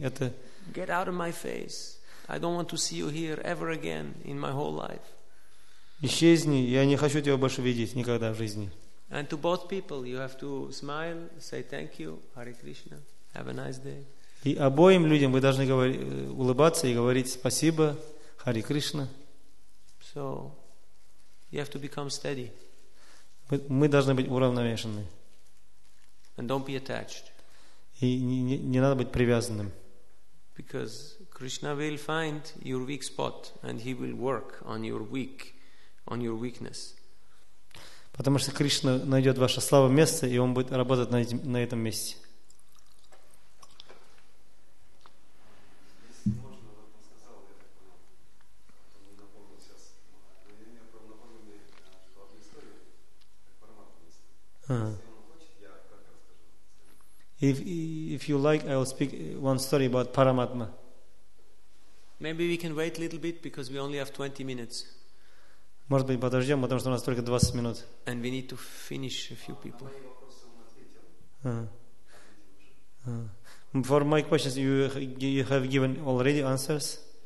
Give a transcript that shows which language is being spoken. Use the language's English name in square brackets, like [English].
[Russian] Это... [English] Get out of my face. I don't want to see you here ever again in my whole life. [Russian] Исчезни, я не хочу тебя больше видеть никогда в жизни. [English] And to both people, you have to smile, say thank you, Hare Krishna, have a nice day. [Russian] И обоим людям вы должны говорить, улыбаться и говорить спасибо, Hare Krishna. [English] So, you have to become steady. [Russian] Мы должны быть уравновешены. [English] And don't be attached. [Russian] И не надо быть привязанным. [English] Because Krishna will find your weak spot and he will work on your weak, on your weakness. [Russian] Потому что Кришна найдет ваше слабое место, и он будет работать на этом месте. [English] If you like, I will speak one story about Paramatma. Maybe we can wait a little bit because we only have 20 minutes. [Russian] Может быть, подождем, потому что у нас только 20 минут. [English] And we need to finish a few people. For my questions, you have given already answers.